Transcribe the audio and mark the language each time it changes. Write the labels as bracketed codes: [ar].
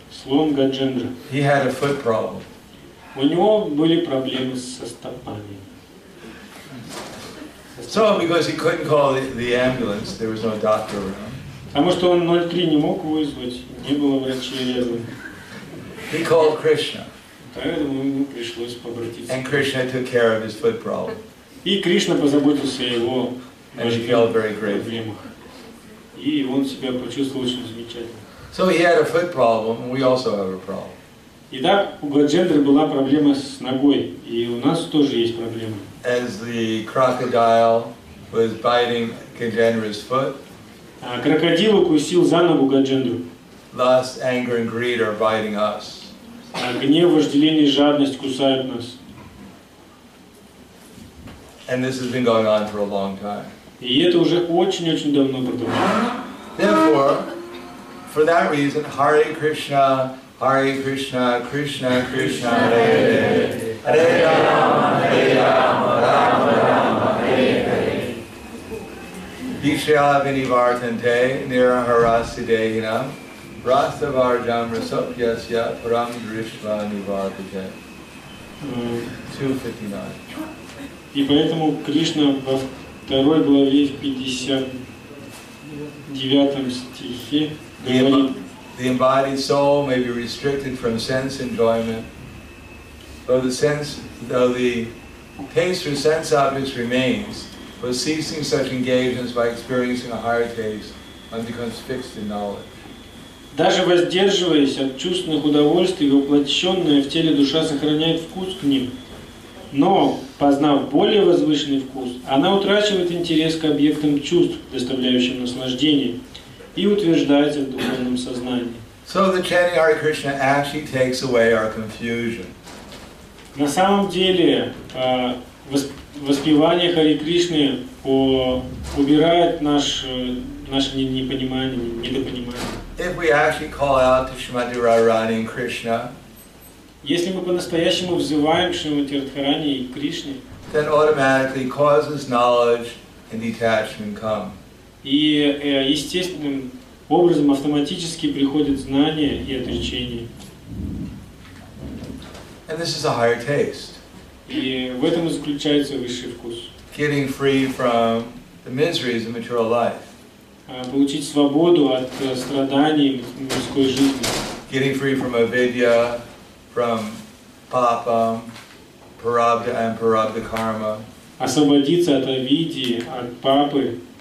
[ru] Слон Gajendra. [en] He had a foot problem. [ru] У него были проблемы со стопами. [en] So because he couldn't call the ambulance, there was no doctor around. [ru] Потому что он 03 не мог вызвать, не было врачей рядом. [en] He called Krishna. [ru] Поэтому ему пришлось обратиться. [en] And Krishna took care of his foot problem. [ru] И Кришна позаботился о его. [en] And he felt very grateful. [ru] И он себя почувствовал очень замечательно. [en] So he had a foot problem, and we also have a problem. [ru] Итак, у Gajendra была проблема с ногой, и у нас тоже есть проблема. [en] As the crocodile was biting Gajendra's foot. [ru] Крокодил укусил за ногу Gajendra. [en] Thus, anger and greed are biting us. [ru] Гнев, вожделение и жадность кусают нас. [en] And this has been going on for a long time. [ru] И это уже очень-очень давно продолжается. [en] Therefore, for that reason, Hare Krishna, Hare Krishna, Krishna Krishna, Hare Hare, [sa] Hare Rama, Hare Rama, Rama Rama, Hare Hare. Dikshaya Vinivartante, Niraharasidehina, Rastavarjam Rasopyasya, Param Drishva Nivartate. 259. [ru] И поэтому Кришна во второй главе в 59 стихе говорит: [en] The embodied soul may be restricted from sense enjoyment, though the sense, though the taste or sense objects remains, but ceasing such engagements by experiencing a higher taste, one becomes fixed in knowledge. [ru] Даже воздерживаясь от чувственных удовольствий, воплощенная в теле душа сохраняет вкус к ним, но, познав более возвышенный вкус, она утрачивает интерес к объектам чувств, доставляющим наслаждение. И утверждается в духовном сознании. [en] So the chanting Hare Krishna actually takes away our confusion. [ru] На самом деле, воспевание Хари Кришны убирает наше непонимание, недопонимание. [en] If we actually call out to Shrimati Radharani and Krishna, [ru] если мы по-настоящему взываем к Шримати Радхарани и Кришне, [en] then automatically causes knowledge and detachment come. [ru] И естественным образом автоматически приходит знание и отречение. [en] And this is a higher taste. [ru] И в этом и заключается высший вкус. [en] Getting free from the miseries of material life. [ru] Получить свободу от страданий мирской жизни. [en] Getting free from avidya, from papam, prarabdha and prarabdha karma. [ru] Освободиться от авиди, от папы.